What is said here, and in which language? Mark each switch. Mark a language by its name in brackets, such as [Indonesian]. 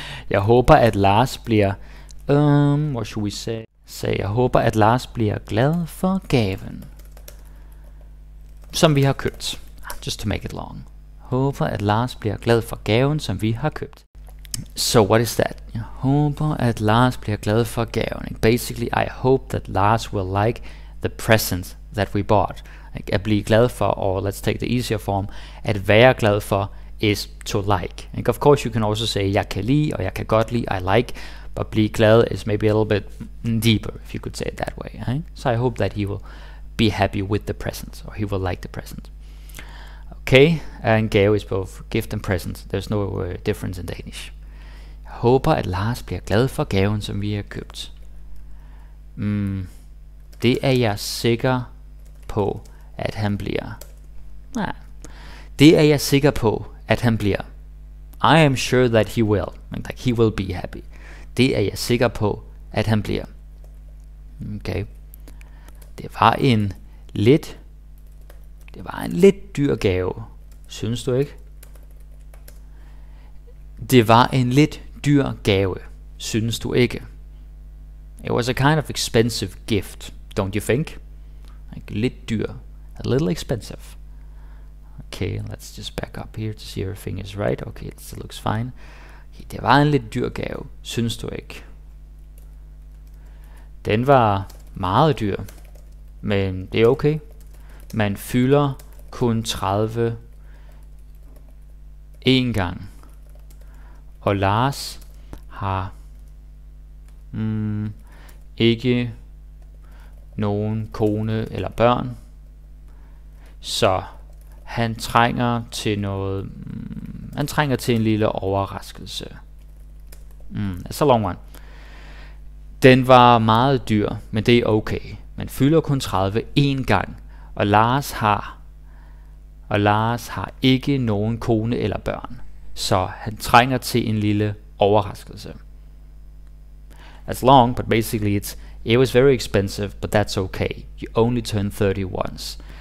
[Danish] Jeg håber, at Lars bliver... [English] what should we say? [Danish] Say, jeg håber, at Lars bliver glad for gaven. Som vi har købt. [English] Just to make it long. [Danish] Håber, at Lars bliver glad for gaven, som vi har købt. [English] So what is that? [Danish] Jeg håber, at Lars bliver glad for gaven. [English] Basically, I hope that Lars will like the present that we bought. At blive glad for, or let's take the easier form, [Danish] at være glad for [English] is to like. And of course, you can also say, [Danish] jeg kan lide, [English] or [Danish] jeg kan godt lide, [English] I like. But blive glad is maybe a little bit deeper, if you could say it that way. Right? So I hope that he will be happy with the present, or he will like the present. Okay, and gave is both gift and present. There's no difference in Danish. [Danish] Jeg håber, at Lars bliver glad for gaven, som vi har købt. Det er jeg sikker på, at han bliver. Nej. Det er jeg sikker på, at han bliver. [English] I am sure that he will. Like, he will be happy. [Danish] Det er jeg sikker på, at han bliver. Okay. Det var en lidt dyr gave, synes du ikke? Det var en lidt dyr gave, synes du ikke? [English] It was a kind of expensive gift, don't you think? Like, lidt dyr. A little expensive. Okay, let's just back up here to see if everything is right. Okay, it still looks fine. [Danish] Okay, det var en lidt dyr gave, synes du ikke? Den var meget dyr, men det er okay. Man fylder kun 30 én gang. Og Lars har ikke nogen kone eller børn. Så han trænger til noget. Han trænger til en lille overraskelse. [English] That's a long one. [Danish] Den var meget dyr, men det er okay. Man fylder kun 30 én gang. Og Lars har ikke nogen kone eller børn, så han trænger til en lille overraskelse. [English] That's long, but basically it was very expensive, but that's okay. You only turn 30 once,